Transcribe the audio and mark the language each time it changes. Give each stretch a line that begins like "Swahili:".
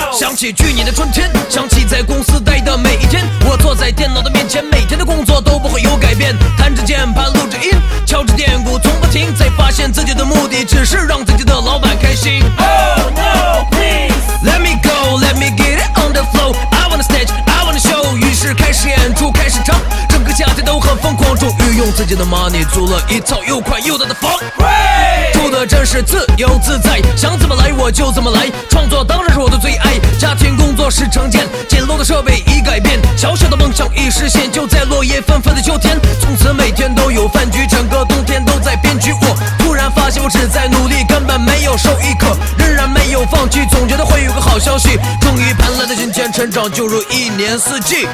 Chinese: 想起去年的春天，想起在公司待的每一天，我坐在电脑的面前，每天的工作都不会有改变，弹着键盘，录着音，敲着电鼓，从不停。才发现自己的目的只是让自己的老板开心。
English: Oh no, please. Let me go, let me get it on the floor. I wanna stage.
Chinese: 开始演出，开始唱，整个夏天都很疯狂，终于用自己的 money 租了一套又快又大的房，住的真是自由自在，想怎么来我就怎么来，创作当然是我的最爱，家庭工作时常见，简陋的设备已改变，小小的梦想已实现，就在落叶纷纷的秋天，从此每天都有饭局，整个冬天都在编剧，我突然发现我只在努力，根本没有受益，可仍然没有放弃，总觉得会有个好消息，终于盼来的今天，成长就如一年四季，